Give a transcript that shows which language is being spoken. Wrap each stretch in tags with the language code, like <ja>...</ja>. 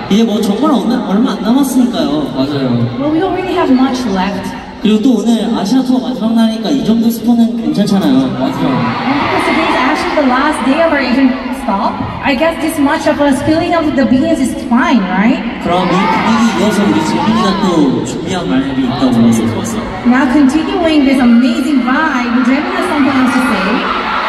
<ko>이제 뭐 정말 얼마 안 남았으니까요. 맞아요.</ko> <en>Well, we don't really have much left.</en> <ko>그리고 또 오늘 아시아 투어 마지막 날이니까 이 정도 스폰은 괜찮잖아요. 맞아요.</ko> <en>And because today is actually the last day of our Asian stop, I guess this much of us filling up the beans is fine, right?</en> <ko>그럼 이 분위기 이어서 우리 진빈이가 또 준비한 말들이 있다고 해서 좋았어.</ko> <en>Now continuing this amazing vibe, do you have something else to say?</en>